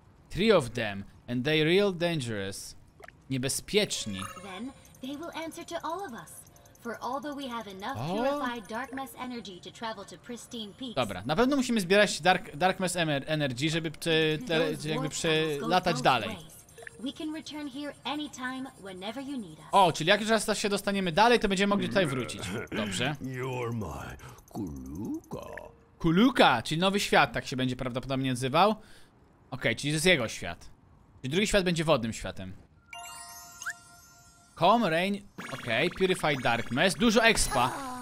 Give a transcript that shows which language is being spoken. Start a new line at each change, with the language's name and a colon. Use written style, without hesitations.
English: Three of them, and they real dangerous. Niebezpieczni. Then they will answer to all of us. For although we have enough purified darkness energy to travel to pristine peace.
Polish: Dobra, na pewno musimy zbierać darkness energy, żeby jakby przelatać dalej.
English: We can return here anytime, whenever you need us.
Polish: O, czyli jak już raz się dostaniemy dalej, to będziemy mogli tutaj wrócić. Dobrze.
English: You're my Kuluka.
Polish: Kuluka, czyli nowy świat, tak się będzie prawdopodobnie nazywał. Okej, czyli to jest jego świat. Czyli drugi świat będzie wodnym światem. Home Rain, okej, okay, Purified Dark Mess, dużo expa.